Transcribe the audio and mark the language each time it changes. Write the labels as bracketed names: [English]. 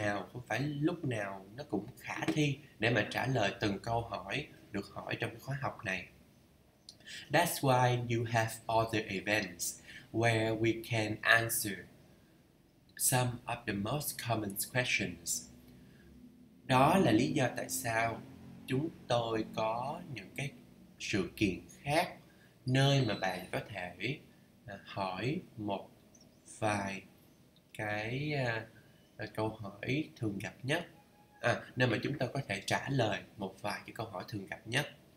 [Vietnamese] Không phải lúc nào nó cũng khả thi để mà trả lời từng câu hỏi được hỏi trong khóa học này. [English] That's why you have other events where we can answer some of the most common questions. [Vietnamese] Đó là lý do tại sao chúng tôi có những cái sự kiện khác nơi mà bạn có thể hỏi một vài cái câu hỏi thường gặp nhất, nơi mà chúng ta có thể trả lời một vài cái câu hỏi thường gặp nhất.